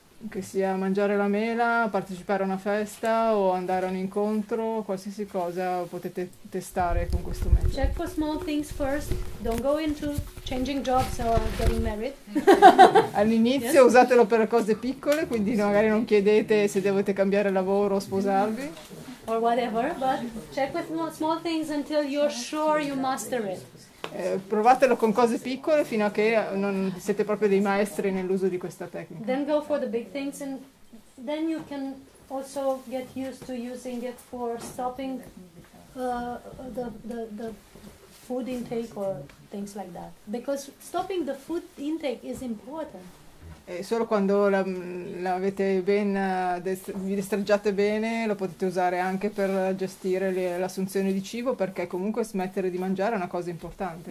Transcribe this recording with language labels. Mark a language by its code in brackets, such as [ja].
[it] che sia mangiare la mela, partecipare a una festa o andare a un incontro, qualsiasi cosa potete testare con questo metodo. [en] Check for small things first, don't go into changing jobs or getting married. [it] All'inizio yes. Usatelo per cose piccole, quindi magari non chiedete se dovete cambiare lavoro o sposarvi. [en] Or whatever, but check with small things until you're sure you master it. [it] Provatelo con cose piccole fino a che non siete proprio dei maestri nell'uso di questa tecnica. [en] Then go for the big things and then you can also get used to using it for stopping the food intake or things like that. Because stopping the food intake is important. [it] Solo quando l'avete ben vi destreggiate bene lo potete usare anche per gestire l'assunzione di cibo, perché comunque smettere di mangiare è una cosa importante.